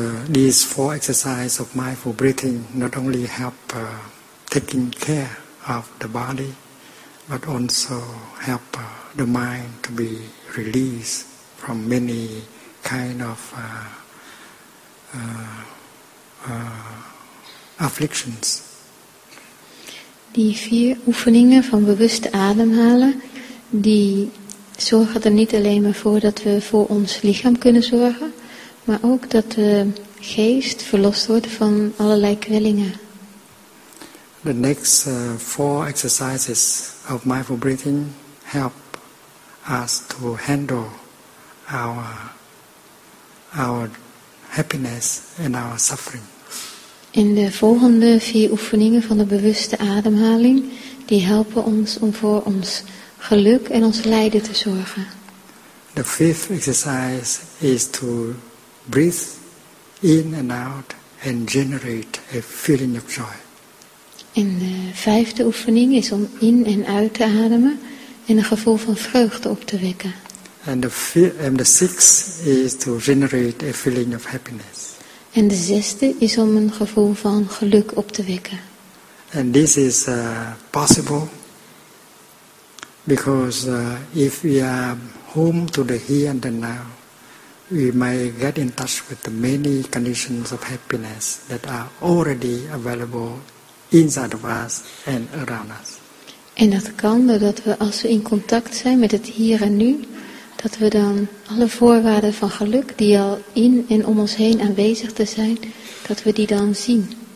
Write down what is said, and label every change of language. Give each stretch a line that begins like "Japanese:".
English: These four exercises of mindful breathing not only help taking care of the body, but also help the mind to be released from many kind of afflictions.
Dutch: Die vier oefeningen van bewuste ademhalen, die zorgen er niet alleen maar voor dat we voor ons lichaam kunnen zorgen, maar ook dat de geest verlost wordt van allerlei kwellingen.
English: The next four exercises of mindful breathing help us to handle our happiness and our suffering.
Dutch: In de volgende vier oefeningen van de bewuste ademhaling, die helpen ons om voor ons geluk en ons lijden te zorgen.
English: The fifth exercise is to breathe in and out and generate a feeling of joy.
Dutch: En de vijfde oefening is om in en uit te ademen en een gevoel van vreugde op te wekken.
English: And the sixth is to generate a feeling of happiness.
Dutch: En de zesde is om een gevoel van geluk op te wekken.
English: And this is possible because if we are home to the here and the now, we may get in touch with the many conditions of happiness that are already available inside of us and around us.
Dutch: En dat kan doordat we, als we in contact zijn met het hier en nu, dat we dan alle voorwaarden van geluk die al in en om ons heen aanwezig te zijn, dat we die dan zien.